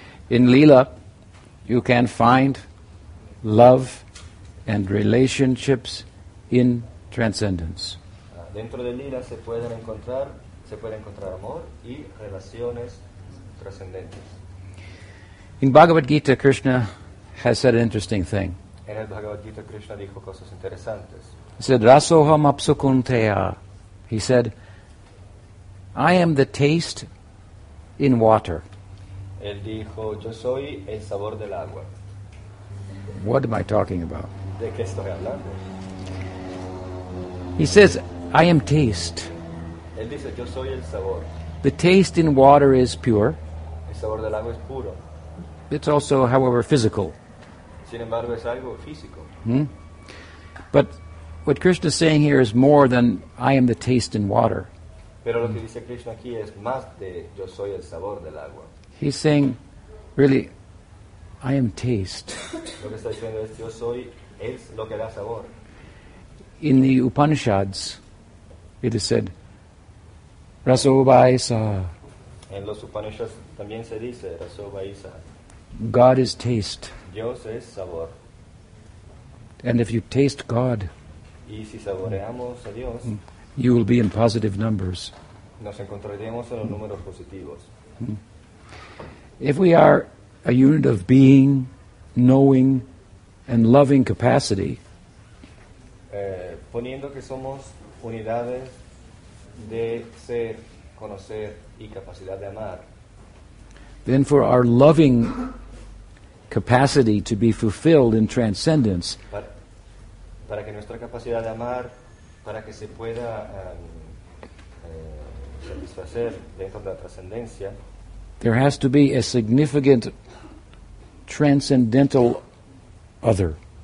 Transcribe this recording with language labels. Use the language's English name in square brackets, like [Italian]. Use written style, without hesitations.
[English] In lila, you can find love and relationships in transcendence. [Spanish] Dentro de lila se puede encontrar amor y relaciones trascendentes. [English] In Bhagavad Gita, Krishna has said an interesting thing. [Spanish] En el Bhagavad Gita, Krishna dijo cosas interesantes. [English] He said, [Sanskrit] Rasoham apsukunteya. [English] He said, I am the taste in water. [Spanish] Él dijo, yo soy el sabor del agua. [English] What am I talking about? [Spanish] ¿De qué estoy hablando? [English] He says, I am taste. [Spanish] Él dice, yo soy el sabor. [English] The taste in water is pure. [Spanish] El sabor del agua es puro. [English] It's also, however, physical. [Spanish] Sin embargo, es algo físico. [English] But what Krishna is saying here is more than I am the taste in water. [Spanish] Pero lo que dice Krishna aquí es más de yo soy el sabor del agua. [English] He's saying, really, I am taste. [Spanish] Lo que está diciendo es yo soy es lo que da sabor. [English] In the Upanishads, it is said, [Sanskrit] raso vaisa. [Spanish] En los Upanishads también se dice [Sanskrit] raso vaisa. [English] God is taste. [Spanish] Dios es sabor. [English] And if you taste God, [Spanish] y si saboreamos a Dios, [English] you will be in positive numbers. [Spanish] Nos encontraremos en los números positivos. [English] If we are a unit of being, knowing, and loving capacity, [Spanish] poniendo que somos unidades de ser, conocer y capacidad de amar. [English] Then for our loving capacity to be fulfilled in transcendence, [Spanish] para que nuestra capacidad de amar, para que se pueda satisfacer dentro de la trascendencia, [English] there has to be a significant transcendental other.